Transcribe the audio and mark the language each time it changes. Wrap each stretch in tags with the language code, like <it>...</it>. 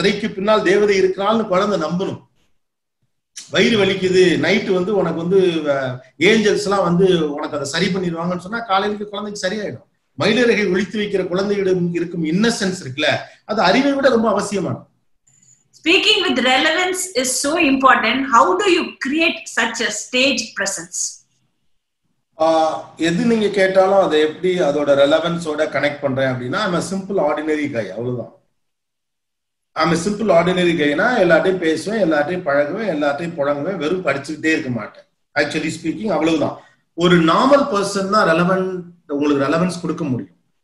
<ta>திரைக்கு பின்னால் தேவதை இருக்கிறாள்னு குழந்தை நம்பணும். வயிறு வலிக்குது நைட்டு வந்து உனக்கு வந்து ஏஞ்சல்ஸ் எல்லாம் வந்து உனக்கு அதை சரி பண்ணிடுவாங்கன்னு சொன்னா காலையிலுக்கு குழந்தைக்கு சரியாயிடும். மயிலிறகை ஒழித்து வைக்கிற குழந்தைகளிடம் இருக்கும் இன்னசென்ஸ் இருக்குல்ல, அது அறிவை விட ரொம்ப அவசியமானது.</ta> <en>Speaking with relevance is so important. How do you create such a stage presence?</en> <ta>எது நீங்க கேட்டாலும் அதை எப்படி அதோட ரெலவென்ஸோட கனெக்ட் பண்றேன் அப்படின்னா, I'm a simple ordinary guy, அவ்வளவுதான். I'm a simple ordinary guy- னா எல்லாத்தையும் பேசுவேன், எல்லாத்தையும் பழகுவேன், எல்லாத்தையும் புழங்குவேன், வெறும் படிச்சுக்கிட்டே இருக்க மாட்டேன். ஆக்சுவலி ஸ்பீக்கிங் அவ்வளவுதான். ஒரு நார்மல் பர்சன் தான் ரெலவென்ட், உங்களுக்கு ரெலவென்ஸ் கொடுக்க முடியும்.</ta>